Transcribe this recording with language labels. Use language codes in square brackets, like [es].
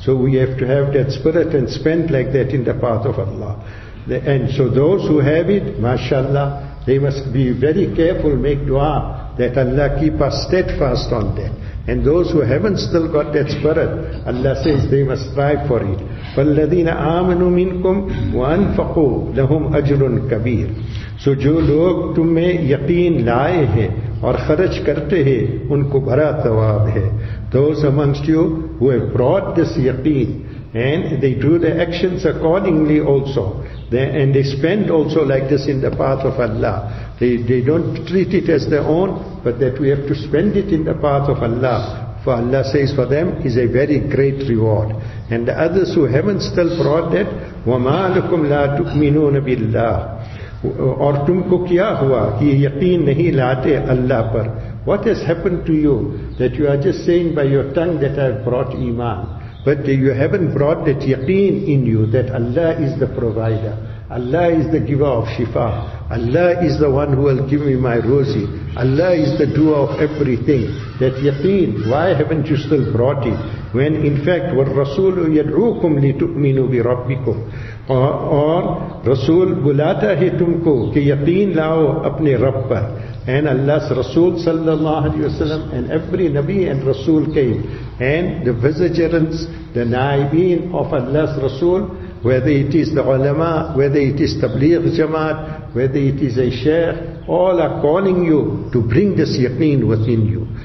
[en] So we have to have that spirit and spend like that in the path of Allah. And so those who have it, mashallah, they must be very careful, make dua that Allah keep us steadfast on that. And those who haven't still got that spirit, Allah says they must strive for it. [ar] فَالَّذِينَ آمَنُوا مِنْكُمْ وَأَنفَقُوا لَهُمْ أَجْرٌ كَبِيرٌ. [ur] سو جو لوگ تم میں یقین لائے ہیں اور خرچ کرتے ہیں ان کو بڑا ثواب ہے. [en] Those amongst you who have brought this yaqeen and they do their actions accordingly also, and they spend also like this in the path of Allah. They don't treat it as their own, but that we have to spend it in the path of Allah. For Allah says for them is a very great reward. And the others who haven't still brought that, [ar] وَمَا لَكُمْ لَا تُؤْمِنُونَ بِاللَّهِ. [ur] اور تم کو کیا ہوا یہ یقین نہیں لاتے اللہ پر. [en] What has happened to you that you are just saying by your tongue that I have brought iman, but you haven't brought that yaqeen in you that Allah is the provider, Allah is the giver of shifa, Allah is the one who will give me my rosy, Allah is the doer of everything. That yaqeen, why haven't you still brought it? When in fact, [ar] وَالرَّسُولُ يَدْعُوكُمْ لِتُؤْمِنُوا بِرَبِّكُمْ. [ur] اور رسول بلاتا ہے تم کو کہ یقین لاؤ اپنے رب پر. [en] And Allah's Rasul sallallahu alayhi wa sallam, and every Nabi and Rasul came, and the vicegerents, the naibin of Allah's Rasul, whether it is the ulama, whether it is tabligh jamaat, whether it is a sheikh, all are calling you to bring this yaqeen within you.